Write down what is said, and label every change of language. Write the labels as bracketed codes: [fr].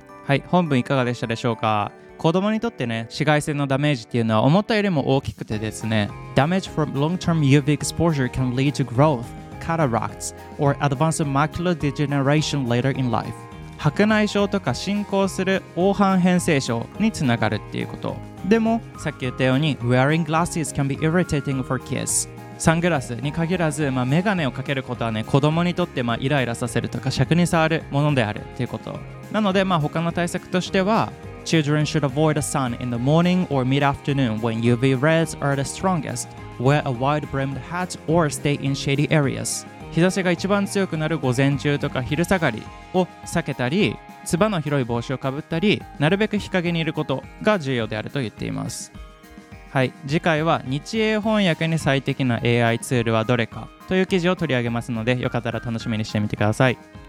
[ja] はい、本文いかがでしたでしょうか。子供にとってね、紫外線のダメージっていうのは思ったよりも大きくてですね、 [en] Damage from long-term UV exposure can lead to growthcataracts or advanced macular degeneration later in life. [ja] 白内障とか進行する黄斑変性症につながるっていうこと。でもさっき言ったように、 [en] wearing glasses can be irritating for kids. [ja] サングラスに限らず、まあ、メガネをかけることはね、子供にとってまあイライラさせるとか尺に触るものであるっていうこと。なので、まあ他の対策としては、 [en] Children should avoid the sun in the morning or mid-afternoon when UV rays are the strongest. Wear a wide-brimmed hat or stay in shady areas. [ja] 日差しが一番強くなる午前中とか昼下がりを避けたり、つばの広い帽子をかぶったり、なるべく日陰にいることが重要であると言っています。はい、次回は日英翻訳に最適な AI ツールはどれかという記事を取り上げますので、よかったら楽しみにしてみてください。